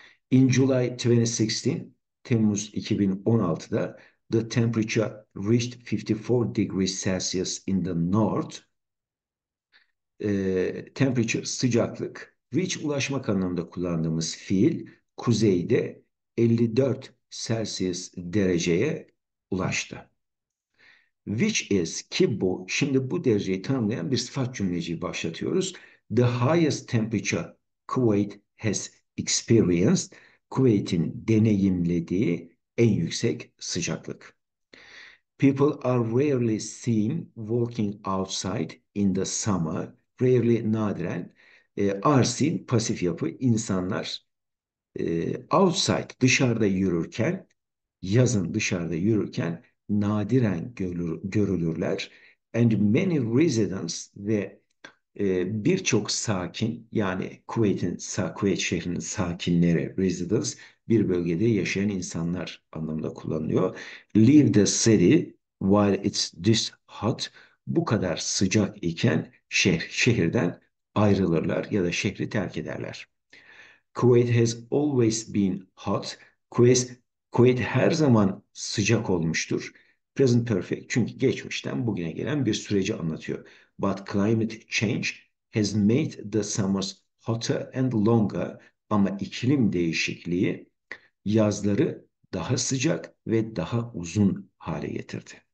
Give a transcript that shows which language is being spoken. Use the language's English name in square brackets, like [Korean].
[English] In July 2016, [Turkish] Temmuz 2016'da [English] the temperature reached 54 degrees Celsius in the north. [Turkish] Temperature, sıcaklık. Reach, ulaşmak anlamında kullandığımız fiil, kuzeyde 54 Celsius dereceye ulaştı. [English] Which is, [Turkish] ki bu, şimdi bu dereceyi tanımlayan bir sıfat cümleciği başlatıyoruz. [English] The highest temperature Kuwait has experienced. [Turkish] Kuwait'in deneyimlediği en yüksek sıcaklık. [English] People are rarely seen walking outside in the summer. [Turkish] Rarely, nadiren. [English] Are seen, [Turkish] pasif yapı. İnsanlar outside, dışarıda yürürken, yazın dışarıda yürürken nadiren görülürler. [English] And many residents, [Turkish] ve birçok sakin, yani Kuveyt şehrinin sakinleri, residents, bir bölgede yaşayan insanlar anlamında kullanılıyor. [English] Leave the city while it's this hot. [Turkish] Bu kadar sıcak iken şehirden ayrılırlar ya da şehri terk ederler. [English] Kuwait has always been hot. [Turkish] Kuwait her zaman sıcak olmuştur. [English] Present perfect. [Turkish] Çünkü geçmişten bugüne gelen bir süreci anlatıyor. [English] But climate change has made the summers hotter and longer. [Turkish] Ama iklim değişikliği yazları daha sıcak ve daha uzun hale getirdi.